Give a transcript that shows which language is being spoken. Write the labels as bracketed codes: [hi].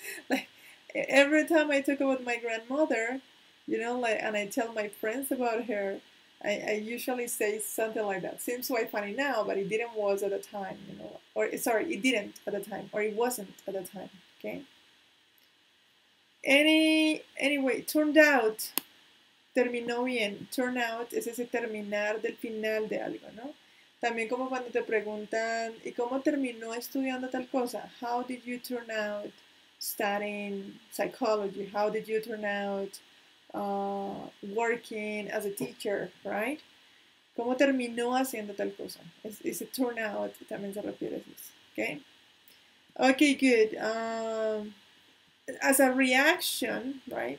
[en] Like, every time I talk about my grandmother, you know, like, and I tell my friends about her, I usually say something like that. Seems quite funny now, but it didn't was at the time, you know. Or, sorry, it didn't at the time, or it wasn't at the time, okay? Anyway, turned out. [es] Terminó bien. Turn out es ese terminar del final de algo, ¿no? También como cuando te preguntan, ¿y cómo terminó estudiando tal cosa? [en] How did you turn out studying psychology? How did you turn out working as a teacher, right? [es] ¿Cómo terminó haciendo tal cosa? Ese turnout también se refiere a eso. [en] Okay, good. As a reaction, right?